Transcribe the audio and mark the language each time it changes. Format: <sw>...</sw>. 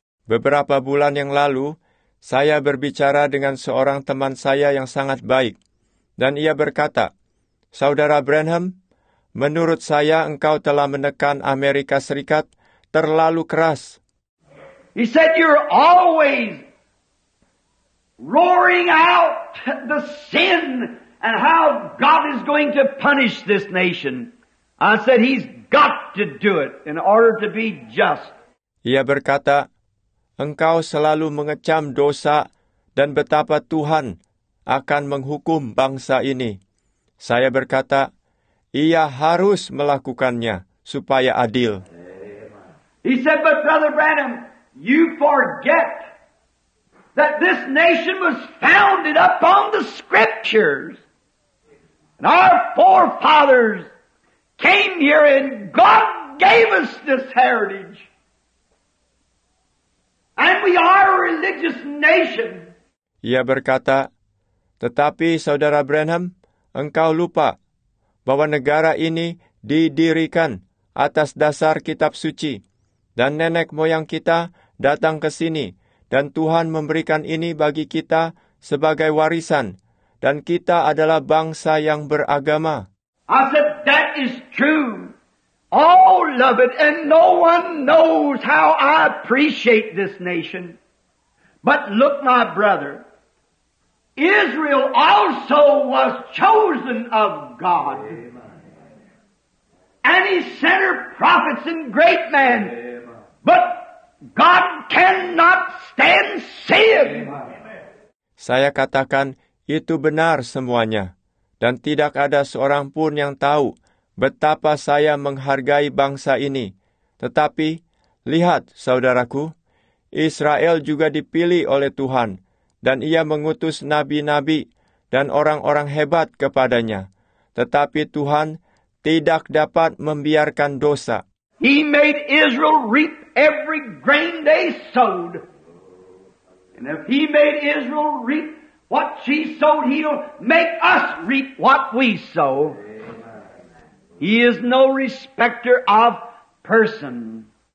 <id>Beberapa bulan yang lalu, saya berbicara dengan seorang teman saya yang sangat baik. Dan ia berkata, Saudara Branham, menurut saya engkau telah menekan Amerika Serikat terlalu keras.</id> <en>He said, you're always roaring out the sin and how God is going to punish this nation. I said, he's got to do it in order to be just.</en> <id>Ia berkata, engkau selalu mengecam dosa dan betapa Tuhan akan menghukum bangsa ini. Saya berkata, ia harus melakukannya supaya adil.</id> <en>He said, but Brother Branham, you forget that this nation was founded upon the scriptures. And our forefathers came here and God gave us this heritage. And we are a religious nation.</en> <id>Ia berkata, tetapi Saudara Branham, engkau lupa bahwa negara ini didirikan atas dasar kitab suci. Dan nenek moyang kita datang ke sini, dan Tuhan memberikan ini bagi kita sebagai warisan, dan kita adalah bangsa yang beragama.</id> <en>I said, that is true. Oh, love it, and no one knows how I appreciate this nation. But look, my brother, Israel also was chosen of God. And he sent her prophets and great men. But God cannot stand sin.</en> <id>Saya katakan itu benar semuanya. Dan tidak ada seorang pun yang tahu betapa saya menghargai bangsa ini. Tetapi, lihat saudaraku, Israel juga dipilih oleh Tuhan. Dan ia mengutus nabi-nabi dan orang-orang hebat kepadanya. Tetapi Tuhan tidak dapat membiarkan dosa.</id> <en>He made Israel reap every grain they sowed. And if he made Israel reap what she sowed, he'll make us reap what we sow. He is no respecter of person.</en>